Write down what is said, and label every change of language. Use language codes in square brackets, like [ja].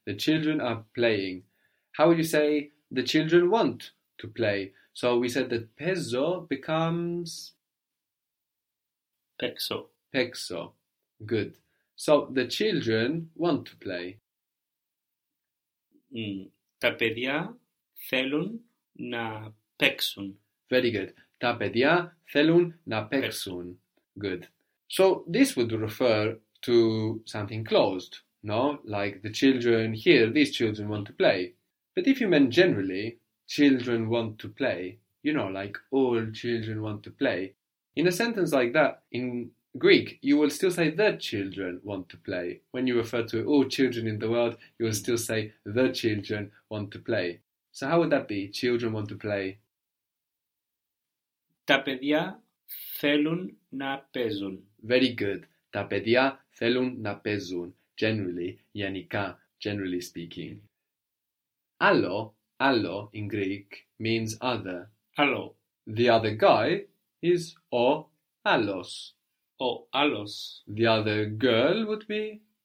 [en] The children are playing. How would you say the children want to play? So we said that peso becomes... [el] Pexo. [en] Pexo. Good. So the children want to play. [el] Τα παιδιά θέλουν να παίξουν. [en] Very good. [el] Τα παιδιά θέλουν να παίξουν. [en] Good. So this would refer to something closed, no? Like the children here, these children want to play. But if you meant generally, children want to play, you know, like all children want to play, in a sentence like that, in Greek, you will still say the children want to play. When you refer to all children in the world, you will still say the children want to play. So how would that be, children want to play? [el] Τα παιδιά θέλουν να παίζουν. [en] Very good. [el] Τα παιδιά θέλουν να παίζουν. [en] Generally, γενικά, generally speaking. Allo, allo in Greek means other. [el] Allo. [en] The other guy is [el] ο άλλος. ο άλλος. [en] The other girl would be?